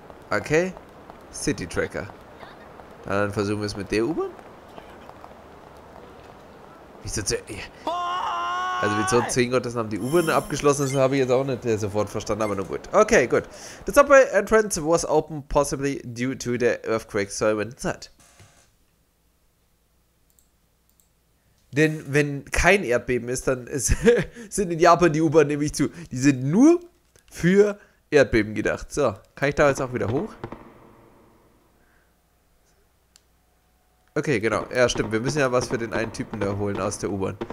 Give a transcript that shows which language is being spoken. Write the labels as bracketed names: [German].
[German] Okay, City Tracker. Dann versuchen wir es mit der U-Bahn. Wieso zwingen Gottes Namen die U-Bahn abgeschlossen ist, habe ich jetzt auch nicht sofort verstanden, aber nun gut. Okay, gut. [English] The subway entrance was open, possibly due to the earthquake, so I went inside. [German] Denn wenn kein Erdbeben ist, dann sind in Japan die U-Bahn nämlich zu. Die sind nur für Erdbeben gedacht. So, kann ich da jetzt auch wieder hoch? Okay, genau. Ja, stimmt. Wir müssen ja was für den einen Typen da holen aus der U-Bahn.